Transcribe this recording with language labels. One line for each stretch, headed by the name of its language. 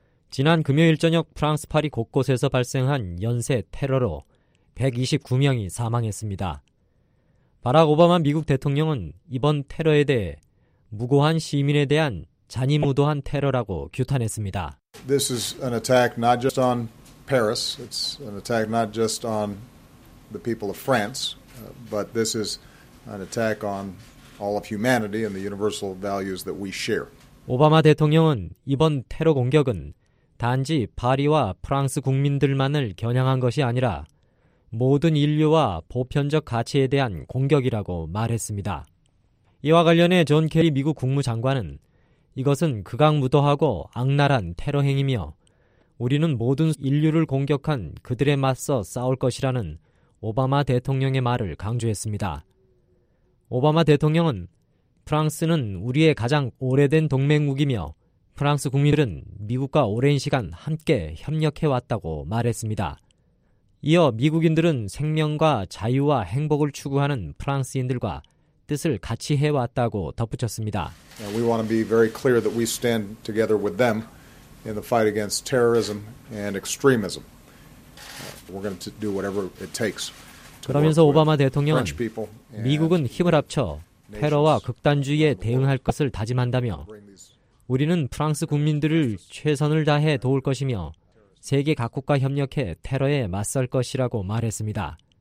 Korean: 지난 금요일 저녁 프랑스 파리 곳곳에서 발생한 연쇄 테러로 129명이 사망했습니다. 바락 오바마 미국 대통령은 이번 테러에 대해 무고한 시민에 대한 잔인무도한 테러라고 규탄했습니다.
English: This is an attack not just on Paris. It's an attack not just on the people of France, but this is an attack on all of humanity and the universal values that we share.
Korean: 오바마 대통령은 이번 테러 공격은 단지 파리와 프랑스 국민들만을 겨냥한 것이 아니라 모든 인류와 보편적 가치에 대한 공격이라고 말했습니다. 이와 관련해 존 케리 미국 국무장관은 이것은 극악무도하고 악랄한 테러 행위며 우리는 모든 인류를 공격한 그들에 맞서 싸울 것이라는 오바마 대통령의 말을 강조했습니다. 오바마 대통령은 프랑스는 우리의 가장 오래된 동맹국이며 프랑스 국민들은 미국과 오랜 시간 함께 협력해왔다고 말했습니다. 이어 미국인들은 생명과 자유와 행복을 추구하는 프랑스인들과 뜻을 같이 해왔다고 덧붙였습니다.
English: We want to be very clear that we stand together with them in the fight against terrorism and extremism. We're going to do whatever it takes.
Korean: 그러면서 오바마 대통령은 미국은 힘을 합쳐 테러와 극단주의에 대응할 것을 다짐한다며 우리는 프랑스 국민들을 최선을 다해 도울 것이며 세계 각국과 협력해 테러에 맞설 것이라고 말했습니다.